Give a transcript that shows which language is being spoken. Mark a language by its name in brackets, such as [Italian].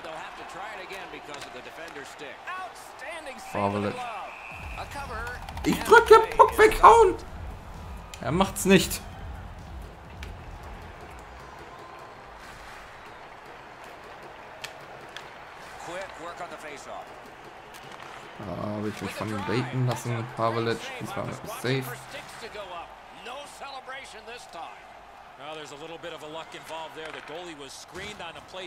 [English] They'll have to try it again because of the defender's stick. Outstanding save. A cover. [German] Ich drück den Puck weg und er macht's nicht. [English] Quick work on the faceoff. [German] Ja, habe ich mich von ihm baiten lassen mit Pavelic. Das war mit safe. [English] No celebration this time. Now there's a little bit of a luck involved there. The goalie was screened on a play.